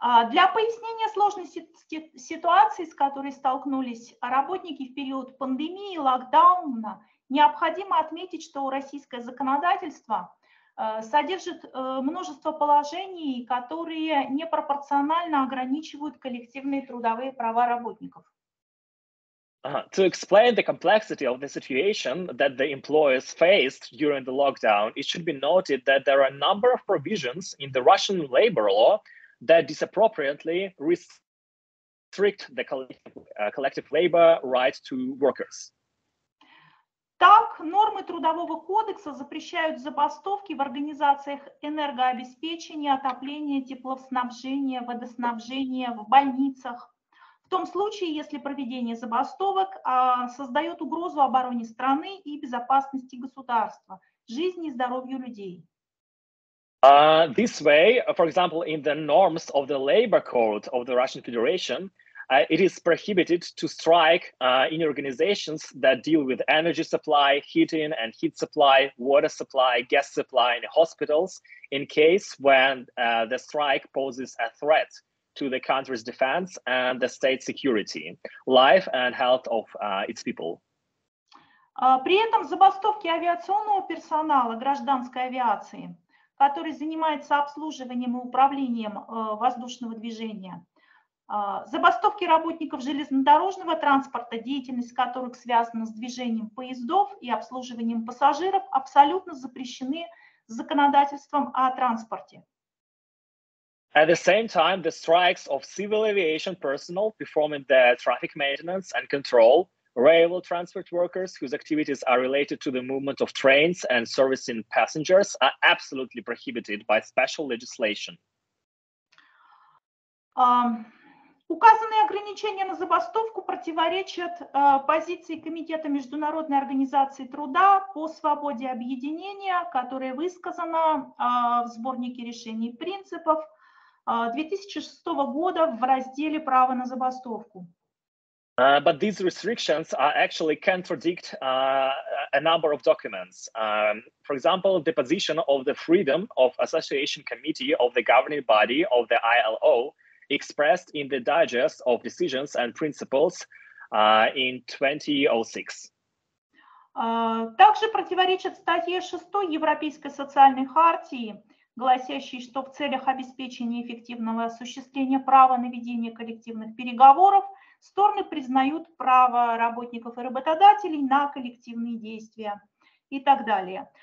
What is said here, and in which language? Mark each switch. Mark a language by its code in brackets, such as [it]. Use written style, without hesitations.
[ru] Для пояснения сложной ситуации, с которой столкнулись работники в период пандемии и локдауна, необходимо отметить, что российское законодательство содержит множество положений, которые непропорционально ограничивают коллективные трудовые права работников. [en] To explain the complexity of the situation that the employers faced during the lockdown, it should be noted that there are a number of provisions in the Russian labor law that disappropriately restrict the collective labor rights to workers. [ru] Так, нормы трудового кодекса запрещают забастовки в организациях энергообеспечения, отопления, теплоснабжения, водоснабжения, в больницах, в том случае, если проведение забастовок создает угрозу обороне страны и безопасности государства, жизни и здоровью людей. [en] This way, for example, in the norms of the labor code of the Russian Federation, It is prohibited to strike in organizations that deal with energy supply, heating and heat supply, water supply, gas supply in hospitals in case when the strike poses a threat to the country's defense and the state security, life and health of its people. [ru] При этом забастовки авиационного персонала гражданской авиации, который занимается обслуживанием и управлением воздушного движения, забастовки работников железнодорожного транспорта, деятельность которых связана с движением поездов и обслуживанием пассажиров, абсолютно запрещены законодательством о транспорте. [en] At the same time, the strikes of civil aviation personnel performing the traffic maintenance and control, railway transport workers whose activities are related to the movement of trains and servicing passengers, are absolutely prohibited by special legislation. [ru] Указанные ограничения на забастовку противоречат позиции Комитета Международной Организации Труда по свободе объединения, которая высказана в сборнике решений принципов 2006 года в разделе «Право на забастовку». [en] But these restrictions actually contradict a number of documents. For example, the position of the Freedom of Association Committee of the governing body of the ILO expressed in the Digest of Decisions and Principles in 2006. [ru] Также противоречит статье 6 Европейской социальной хартии, гласящей, что в целях обеспечения эффективного осуществления права на ведение коллективных переговоров стороны признают право работников и работодателей на коллективные действия и так далее.